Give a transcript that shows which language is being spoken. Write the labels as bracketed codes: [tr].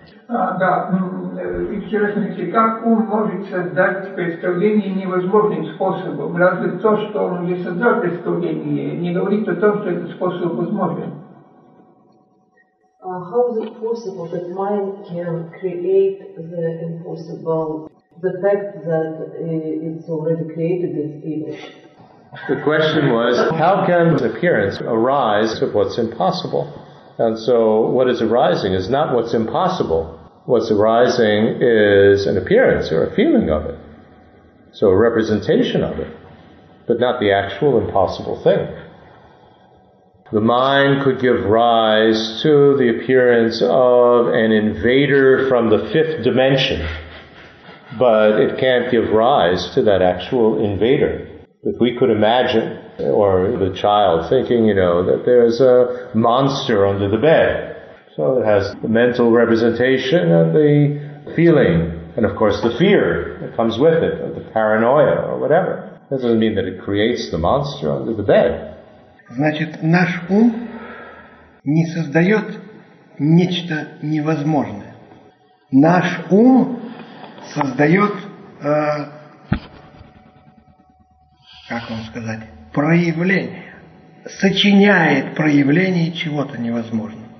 [ru] Да, интересно, как ум может создать представление невозможным способом? Разве то, что он не создал представление, не говорит о том, что этот способ возможен? [en] How is it possible that mind can create the impossible? The fact that it's already created this image. The question was, how can the appearance arise of what's impossible? And so what is arising is not what's impossible. What's arising is an appearance or a feeling of it. So a representation of it, but not the actual impossible thing. The mind could give rise to the appearance of an invader from the fifth dimension, but it can't give rise to that actual invader. If we could imagine, or the child thinking, you know, that there's a monster under the bed. So it has the mental representation and the feeling, and of course the fear that comes with it, or the paranoia, or whatever. That doesn't mean that it creates the monster under the bed. [ru] Значит, наш ум не создает нечто невозможное. Наш ум создает... Как вам сказать? Проявление. Сочиняет проявление чего-то невозможного.